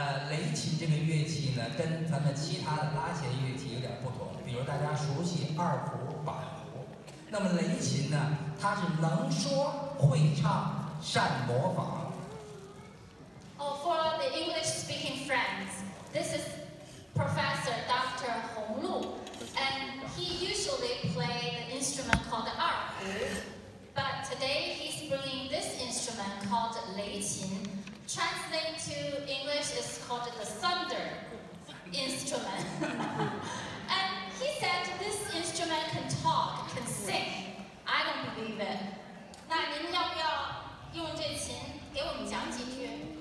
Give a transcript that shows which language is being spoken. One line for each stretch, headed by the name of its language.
Chinese: 雷琴这个乐器呢，跟咱们其他的拉弦乐器有点不同。比如大家熟悉二胡、板胡，那么雷琴呢，它是能说会唱，善模仿。
English: Oh, for the English-speaking friends, this is Professor Dr. Hong Lu, and he usually plays an instrument called the 二胡. But today he's bringing this instrument called 雷琴. Translate to English is called the thunder instrument. And he said this instrument can talk, can sing. I don't believe it.
Chinese: 那您要不要用这琴给我们讲几句？